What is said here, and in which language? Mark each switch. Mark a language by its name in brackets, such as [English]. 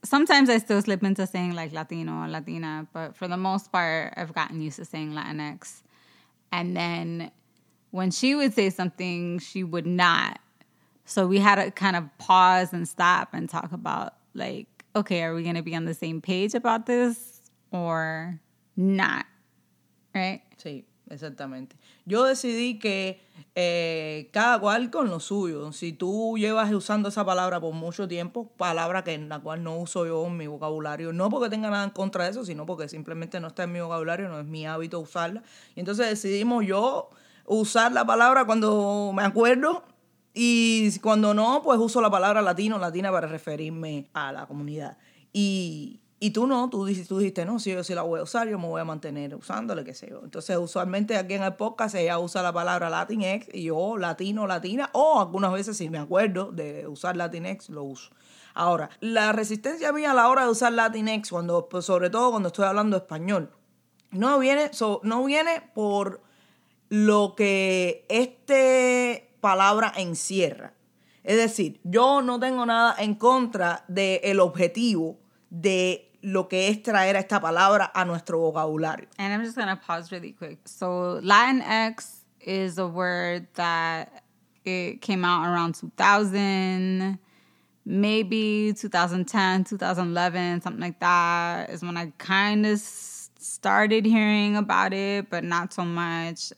[English] Sometimes I still slip into saying like Latino, Latina, but for the most part, I've gotten used to saying Latinx. And then when she would say something, she would not. So we had to kind of pause and stop and talk about like, okay, are we going to be on the same page about this or not? Right? [Spanish] Sí. Exactamente. Yo decidí que cada cual con lo suyo. Si tú llevas usando esa palabra por mucho tiempo, palabra que en la cual no uso yo en mi vocabulario, no porque tenga nada en contra de eso, sino porque simplemente no está en mi vocabulario, no es mi hábito usarla. Y entonces decidimos yo usar la palabra cuando me acuerdo y cuando no, pues uso la palabra latino, latina para referirme a la comunidad. Y tú no, tú dijiste, no, si yo sí la voy a usar, yo me voy a mantener usándole, qué sé yo. Entonces, usualmente aquí en el podcast ella usa la palabra Latinx y yo latino, latina, o algunas veces, si me acuerdo de usar Latinx, lo uso. Ahora, la resistencia mía a la hora de usar Latinx, cuando, pues, sobre todo cuando estoy hablando español, no viene por lo que esta palabra encierra. Es decir, yo no tengo nada en contra del objetivo de lo que es traer a esta palabra a nuestro vocabulario. [English] And I'm just going to pause really quick. So Latinx is a word that it came out around 2000, maybe 2010, 2011, something like that is when I kind of started hearing about it, but not so much.